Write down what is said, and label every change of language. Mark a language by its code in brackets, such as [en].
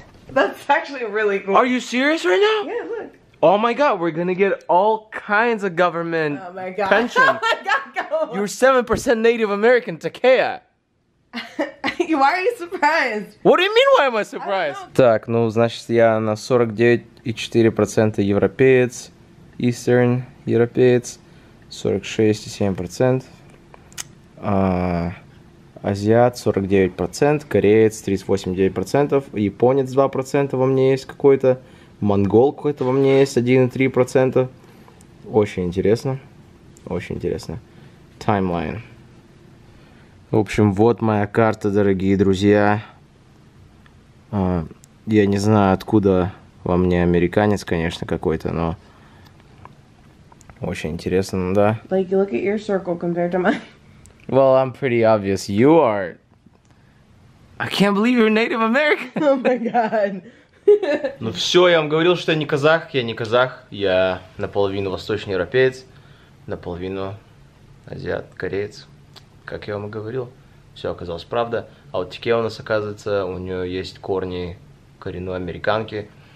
[en] That's actually really cool. Are you serious right now? Yeah, look. Oh my God, we're gonna get all kinds of government pension. Oh my God, go. You're 7% Native American, Takeya. Why are you surprised? What do you mean, why am I surprised? [ru] Так, ну, значит, я на 49.4% европеец, Eastern европеец, 46.7%. Азиат 49%, кореец 38.9%, японец 2% во мне есть какой-то, монгол какой-то во мне есть 1.3%. Очень интересно, очень интересно. Таймлайн. В общем, вот моя карта, дорогие друзья. Я не знаю, откуда во мне американец, конечно, какой-то, но... Очень интересно, да? [en] Like, look at your circle compared to mine. Well, I'm pretty obvious. You are. I can't believe you're Native American. Oh my God. [ru] Ну все, я вам говорил, что я не казах. Я наполовину восточноевропеец, наполовину азиат, кореец. Как я вам и говорил, все оказалось правда. А вот Тике у нас, оказывается, у нее есть корни коренной американки.